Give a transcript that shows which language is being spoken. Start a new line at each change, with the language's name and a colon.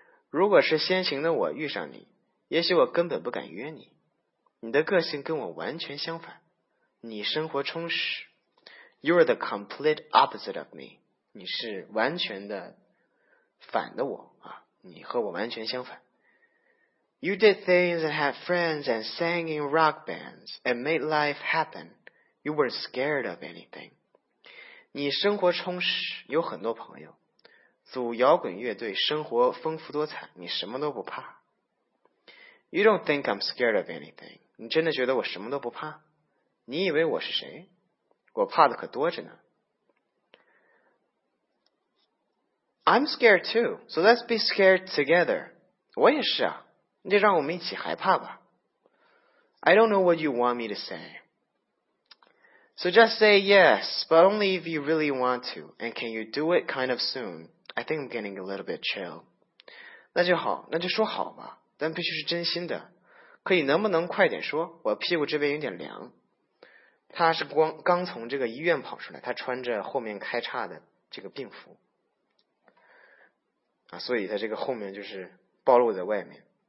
Chinese: 如果是先行的我遇上你，也许我根本不敢约你。你的个性跟我完全相反，你生活充实。
English: You are the complete opposite of me.
Chinese: 你是完全的反的我啊，你和我完全相反。
English: You did things and had friends and sang in rock bands and made life happen. You weren't scared of anything.
Chinese: 你生活充实，有很多朋友，组摇滚乐队，生活丰富多彩，你什么都不怕。
English: You don't think I'm scared of anything.
Chinese: 你真的觉得我什么都不怕？你以为我是谁？我怕的可多着呢。
English: I'm scared too, so let's be scared together.
Chinese: 我也是啊，那让我们一起害怕吧。
English: I don't know what you want me to say. So just say yes, but only if you really want to. And can you do it kind of soon? I think I'm getting a little bit chill.
Chinese: 那就好，那就说好吧，但必须是真心的。可以能不能快点说？我屁股这边有点凉。他是刚从这个医院跑出来，他穿着后面开叉的这个病服。啊，所以他这个后面就是暴露在外面。